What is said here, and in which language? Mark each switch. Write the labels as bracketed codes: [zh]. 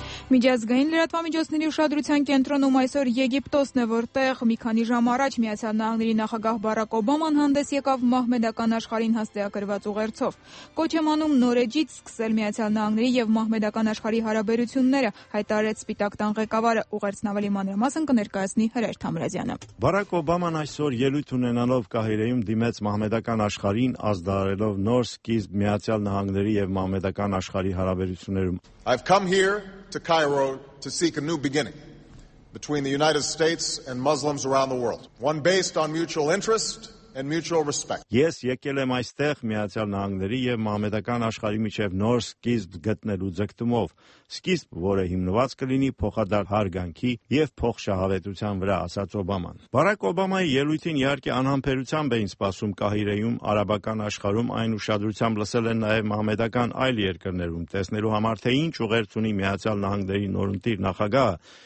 [hy] Միջազգային լրատվամիջոցների ուշադրության կենտրոնում այսօր Եգիպտոսն է, որտեղ մի քանի ժամ առաջ Միացյալ Նահանգների նախագահ Բարակ Օբաման հանդես եկավ մահմեդական աշխարհին հաստատակրված ուղերձով։ Կոչ եմ անում Նորեջից սկսել Միացյալ Նահանգների և մահմեդական աշխարհի հարաբերությունները, հայտարարեց Սպիտակ տան ղեկավարը, ուղերձն ավելի մանրամասն կներկայացնի Հրաչ Թամրազյանը։ Բարակ Օբաման այսօր ելույթ ունենալով Կահիրեում դիմեց մահմեդական աշխարհին, ազդարարելով նոր սկիզբ Միացյալ Նահանգների և մահմեդական աշխարհի հարաբերություններում։ [en] I've come here to Cairo to seek a new beginning between the United States and Muslims around the world, one based on mutual interest and mutual respect. [hy] Yes, եկել եմ այստեղ Միացյալ Նահանգների եւ Մահմեդական աշխարհի միջև նոր սկիզբ գտնելու ձգտումով, սկիզբ, որը հիմնված կլինի փոխադարձ հարգանքի եւ փոխշահավետության վրա, ասաց Օբաման։ Բարակ Օբամայի ելույթին իհարկե անհամբերությամբ էին սպասում Կահիրեում, արաբական աշխարհում, այն ուշադրությամբ լսել են նաեւ Մահմեդական այլ երկրներում, տեսնելու համար թե ինչ ուղերձունի Միացյալ Նահանգների նորընտիր նախագահը,